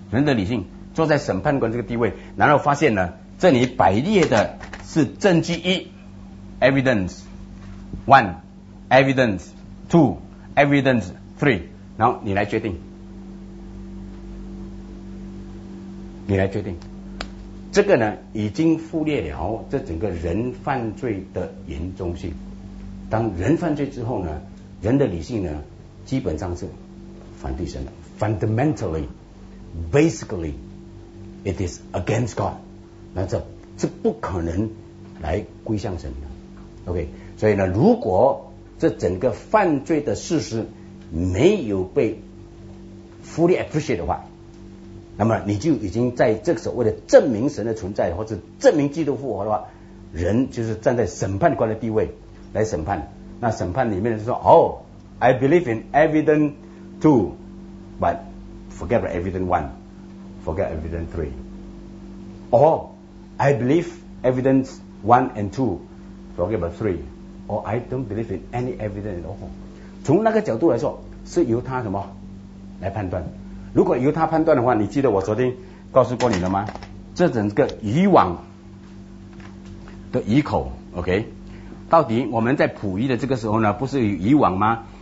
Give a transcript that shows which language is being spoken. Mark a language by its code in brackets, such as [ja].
[zh] 人的理性坐在审判官这个地位，然后发现呢，这里摆列的是证据一 ， [en] evidence one，evidence two，evidence three， [zh] 然后你来决定，你来决定。这个呢，已经忽略了这整个人犯罪的严重性。当人犯罪之后呢，人的理性呢，基本上是反对神的。 [en] Fundamentally, basically, it is against God. [zh] 那这是不可能来归向神的。 OK， 所以呢，如果这整个犯罪的事实没有被 [en] fully appreciate [zh] 的话，那么你就已经在这个所谓的证明神的存在或者证明基督复活的话，人就是站在审判官的地位来审判。那审判里面就说，哦 [en] I believe in evidence two but forget about evidence one forget evidence three or I believe evidence one and two forget about three or I don't believe in any evidence at all。 [zh] 从那个角度来说是由他什么来判断。如果由他判断的话，你记得我昨天告诉过你了吗？这整个以往的以口 OK， 到底我们在普译的这个时候呢，不是有以往吗？